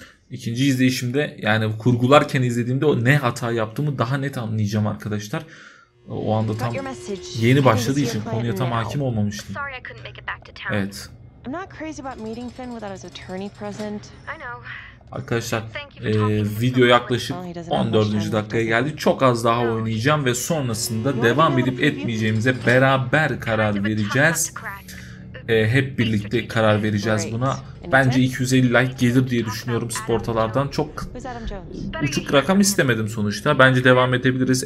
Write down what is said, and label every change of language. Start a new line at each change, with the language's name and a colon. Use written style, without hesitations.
Turkish: İkinci izleyişimde yani kurgularken izlediğimde o ne hata yaptığımı daha net anlayacağım arkadaşlar. O anda tam yeni başladığı için konuya tam hakim olmamıştım. Evet.
English: I'm not crazy about meeting Finn without his attorney present. I know.
Turkish: Arkadaşlar video yaklaşık 14. dakikaya geldi. Çok az daha oynayacağım ve sonrasında devam edip etmeyeceğimize beraber karar vereceğiz. Hep birlikte karar vereceğiz buna. Bence 250 like gelir diye düşünüyorum sportalardan. Çok uçuk rakam istemedim sonuçta. Bence devam edebiliriz.